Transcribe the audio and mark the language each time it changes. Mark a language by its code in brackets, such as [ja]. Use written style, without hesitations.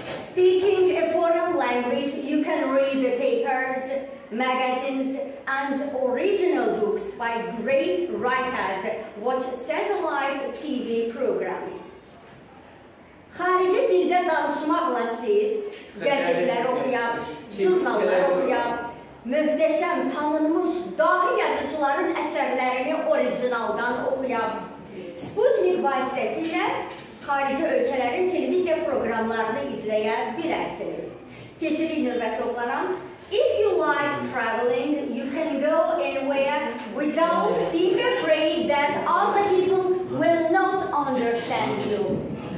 [en] Speaking a foreign language, you can read the papers, magazines, and original books by great writers, watch satellite TV programs. [az] Xarici dildə danışmaqla siz qəzetlər oxuyab, jurnallar oxuyab, möhtəşəm tanınmış dahi yazıçıların əsərlərini orijinaldan oxuyab. Sputnik vasitəsilə xarici ölkələrin televiziya proqramlarını izləyə bilərsiniz. Keçirik növbəti oğlanam. [en] If you like traveling, you can go anywhere without being afraid that other people will not understand you.